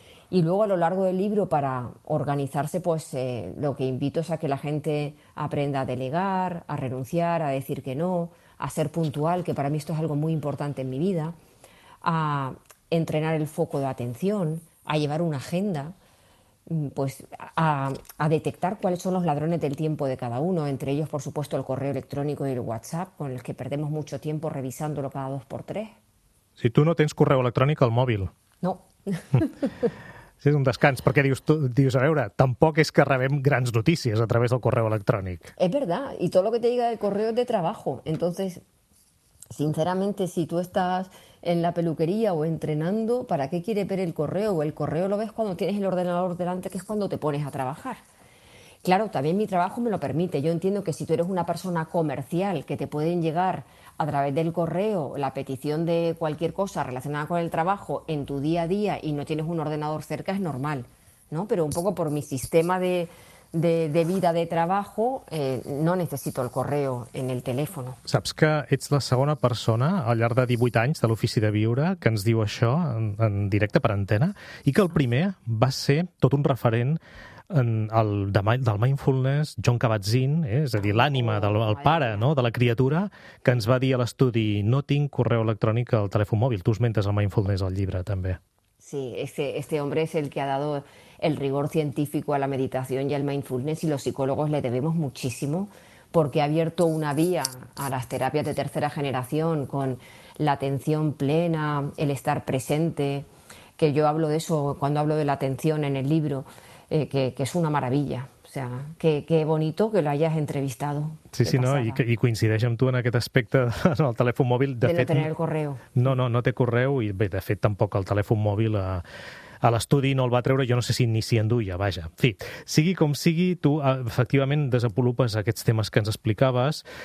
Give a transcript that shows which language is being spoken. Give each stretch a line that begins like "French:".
Spanish: Y luego a lo largo del libro para organizarse, pues lo que invito es a que la gente aprenda a delegar, a renunciar, a decir que no, a ser puntual, que para mí esto es algo muy importante en mi vida, a entrenar el foco de atención, a llevar una agenda, pues a detectar cuáles son los ladrones del tiempo de cada uno, entre ellos, por supuesto, el correo electrónico y el WhatsApp, con los que perdemos mucho tiempo revisándolo cada 2x3. Si tú no tienes correo electrónico al móvil. No.
Catalan: Sí, és un descans, perquè dius, a veure, tampoc és que rebem grans notícies a través del correu electrònic.
Spanish: Es verdad, y todo lo que te llega del correo es de trabajo. Entonces, sinceramente, si tú estás en la peluquería o entrenando, ¿para qué quieres ver el correo? El correo lo ves cuando tienes el ordenador delante, que es cuando te pones a trabajar. Claro, también mi trabajo me lo permite. Yo entiendo que si tú eres una persona comercial, que te pueden llegar a través del correo la petición de cualquier cosa relacionada con el trabajo en tu día a día y no tienes un ordenador cerca, es normal, ¿no? Pero un poco por mi sistema de vida de trabajo, no necesito el correo en el teléfono.
Catalan: Saps que ets la segona persona al llarg de 18 anys de l'Ofici de Viure que ens diu això en directe per antena i que el primer va ser tot un referent del mindfulness, Jon Kabat-Zinn, és a dir, l'ànima del pare, no?, de la criatura, que ens va dir a l'estudi: no tinc correu electrònic al telèfon mòbil. Tu esmentes el mindfulness al llibre, també.
Spanish: Sí, este hombre es el que ha dado el rigor científico a la meditación y al mindfulness, y los psicólogos le debemos muchísimo, porque ha abierto una vía a las terapias de tercera generación con la atención plena, el estar presente, que yo hablo de eso cuando hablo de la atención en el libro, que es una maravilla. O sea, qué bonito que lo hayas entrevistado.
Catalan: Sí, sí, no, i coincideix amb tu en aquest aspecte del telèfon mòbil. De fet, no tenir el correu. No té correu i, bé, de fet, tampoc el telèfon mòbil a l'estudi no el va treure. Jo no sé si ni s'hi enduia, vaja. En fi, sigui com sigui, tu efectivament desenvolupes aquests temes que ens explicaves.